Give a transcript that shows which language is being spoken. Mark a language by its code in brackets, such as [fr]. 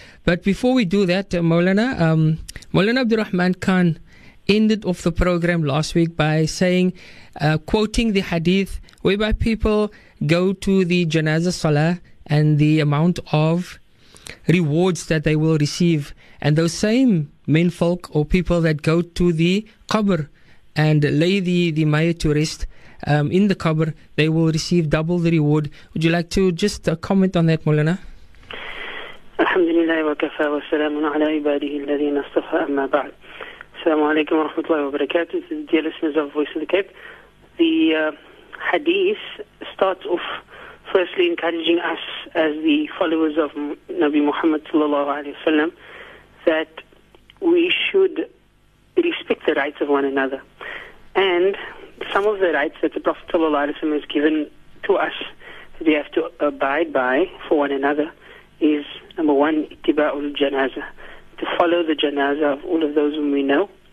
[en] But before we do that, Moulana Abdurrahman Khan ended off the program last week by saying, quoting the hadith, whereby people go to the Janazah Salah and the amount of rewards that they will receive. And those same menfolk or people that go to the Qabr and lay the mayat to rest in the Qabr, they will receive double the reward. Would you like to just comment on that, Moulana? [ar] الحمد لله وكفى والسلام على عباده الذين اصطفى أما بعد السلام عليكم ورحمة الله وبركاته. [en] This is the dear listeners of Voice of the Cape. The hadith starts off firstly encouraging us as the followers of Nabi Muhammad sallallahu alaihi wasallam that we should respect the rights of one another, and some of the rights that the Prophet sallallahu alaihi wasallam has given to us that we have to abide by for one another is, number one, ittiba'ul janazah, to follow the janazah of all of those whom we know.